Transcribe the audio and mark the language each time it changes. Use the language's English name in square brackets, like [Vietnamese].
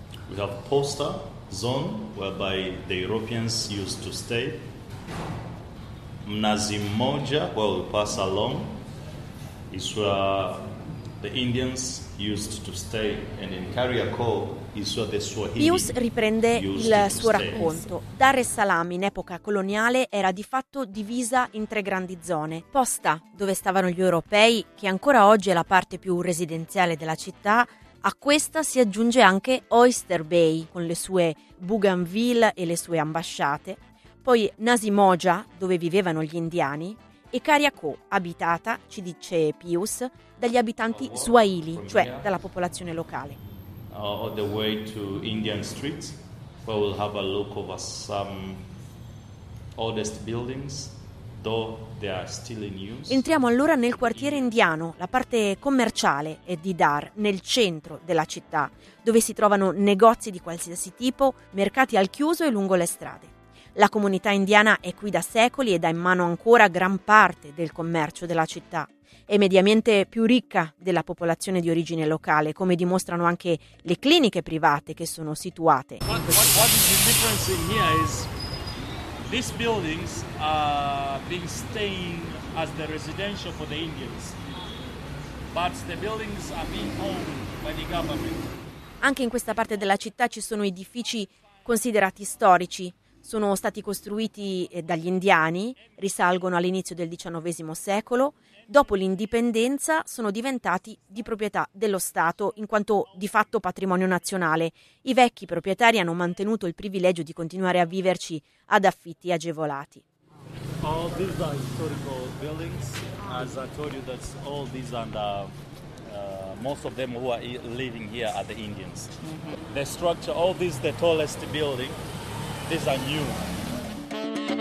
[English] We have Poster Zone, whereby the Europeans used to stay. Mnazi Moja, well, pass along, is where the Indians used to stay. And in Kariakoo, is where the Swahili [Italian] Pius riprende il suo racconto. Dar es Salaam, in epoca coloniale, era di fatto divisa in tre grandi zone. Posta, dove stavano gli europei, che ancora oggi è la parte più residenziale della città, a questa si aggiunge anche Oyster Bay, con le sue bougainville e le sue ambasciate, poi Nazi Moja, dove vivevano gli indiani, e Kariakoo, abitata, ci dice Pius, dagli abitanti swahili, cioè dalla popolazione locale. [English] On the way to Indian Street, where we'll have a look over some oldest buildings, though they are still in use. [Italian] Entriamo allora nel quartiere indiano, la parte commerciale è di Dar, nel centro della città, dove si trovano negozi di qualsiasi tipo, mercati al chiuso e lungo le strade. La comunità indiana è qui da secoli ed ha in mano ancora gran parte del commercio della città. È mediamente più ricca della popolazione di origine locale, come dimostrano anche le cliniche private che sono situate. [English] What is the difference in here is these buildings are being staying as the residential for the Indians, but the buildings are being owned by the government. [Italian] Anche in questa parte della città ci sono edifici considerati storici. Sono stati costruiti dagli indiani, risalgono all'inizio del XIX secolo. Dopo l'indipendenza sono diventati di proprietà dello Stato, in quanto di fatto patrimonio nazionale. I vecchi proprietari hanno mantenuto il privilegio di continuare a viverci ad affitti agevolati. [English] All these are historical buildings. As I told you, that's all these under most of them who are living here are the Indians. The structure, all these, the tallest building. These are new.